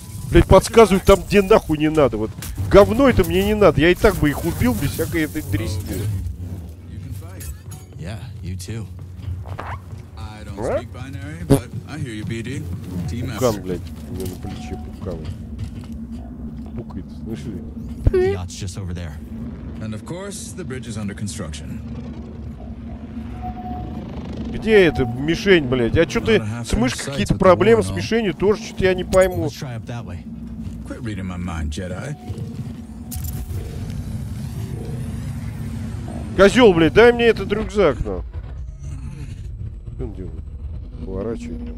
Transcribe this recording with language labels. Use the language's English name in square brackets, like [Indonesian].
[Russian] Блядь, подсказывают там, где нахуй не надо. Вот говно это мне не надо. Я и так бы их убил без всякой этой дресни. Да, ты тоже. Пукан, блядь, у меня на плече пукан. Пукает, слышали? [English] Yacht's just over there. And of course, the bridge is under construction. [Russian] Где эта мишень, блядь? А что ты с мышкой какие-то проблемы с мишенью? Тоже что-то я не пойму. [English] Let's try up that way. Quit reading my mind, Jedi. [Russian] Козёл, блядь, дай мне этот рюкзак, ну. Что он делает? Поворачивай.